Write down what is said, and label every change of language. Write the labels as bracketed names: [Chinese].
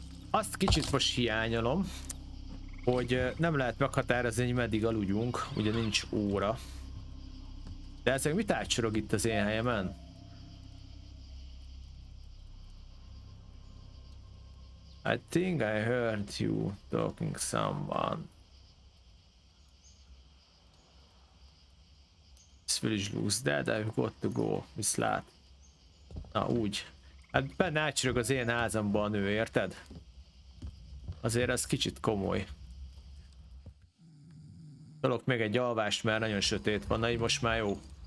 [Hungarian] Azt kicsit most hiányolom, hogy nem lehet meghatározni, hogy meddig aludjunk, ugye nincs óra. De ezek mit átcsorog itt az én helyemen? [English] I think I heard you talking to someone. This village looks dead, I've got to go, [Hungarian] viszlát. Na úgy. Hát benne átcsörög az én házamban a nő, érted? Azért ez kicsit komoly. Tudok még egy alvást, mert nagyon sötét van, na így most már jó.